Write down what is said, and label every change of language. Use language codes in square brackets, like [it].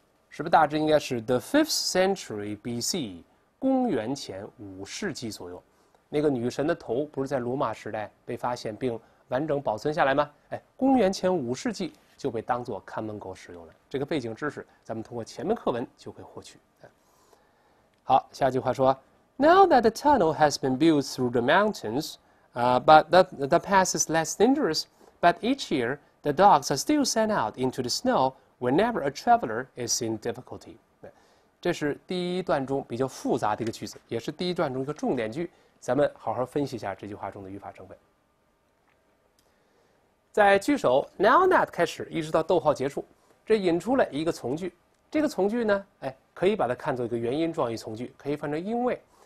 [zh] 是不是大致应该是 [en] the 5th century BC， [zh] 公元前五世纪左右？那个女神的头不是在罗马时代被发现并完整保存下来吗？哎，公元前五世纪就被当作看门狗使用了。这个背景知识咱们通过前面课文就可以获取。好，下句话说 [en] ：Now that the tunnel has been built through the mountains, but the path is less dangerous. But each year, the dogs are still sent out into the snow whenever a traveler is in difficulty. [zh] 这是第一段中比较复杂的一个句子，也是第一段中一个重点句。咱们好好分析一下这句话中的语法成分。在句首 now that 开始一直到逗号结束，这引出了一个从句。这个从句呢，哎，可以把它看作一个原因状语从句，可以翻成因为。